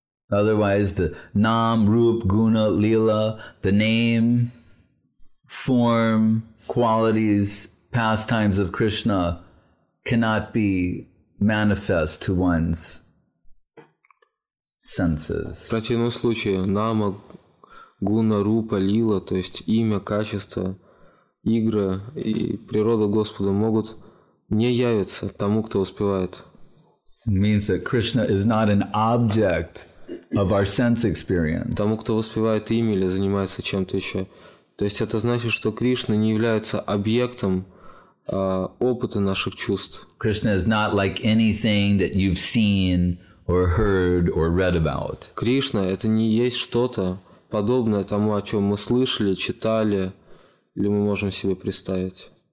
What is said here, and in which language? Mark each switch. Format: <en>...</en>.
<en>Otherwise, the nam, rup, guna, lila, the name, form, qualities, pastimes of Krishna cannot be manifest to one's senses.</en> <ru>В противном случае, нама, гуна, рупа, лила, то есть имя, качество, игра и природа Господа могут не явиться тому, кто успевает.</ru> <en>It means that Krishna is not an object of our sense experience.</en> <ru>Тому, кто воспевает имя или занимается чем-то еще. То есть это значит, что Кришна не является объектом опыта наших чувств.</ru> <en>Krishna is not like anything that you've seen or heard or read about.</en> <ru>Кришна – это не есть что-то подобное тому, о чем мы слышали, читали или мы можем себе представить.</ru>